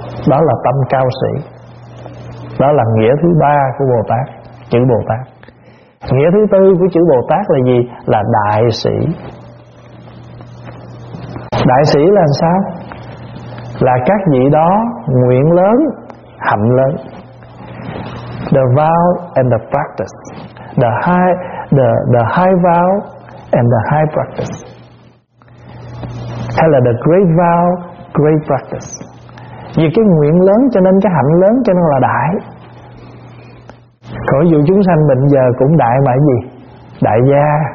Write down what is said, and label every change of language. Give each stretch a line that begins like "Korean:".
Vietnamese: Đó là tâm cao sĩ. Đó là nghĩa thứ ba của Bồ Tát, chữ Bồ Tát. Nghĩa thứ tư của chữ Bồ Tát là gì? Là đại sĩ. Đại sĩ là sao? Là các vị đó nguyện lớn, hạnh lớn.
English: The vow and the practice. The high vow and the high practice.
Vietnamese: Hay là
English: the great vow, great practice.
Vietnamese: Vì cái nguyện lớn cho nên cái hạnh lớn cho nên là đại. Còn ví dụ chúng sanh bệnh giờ cũng đại mà cái gì? Đại gia.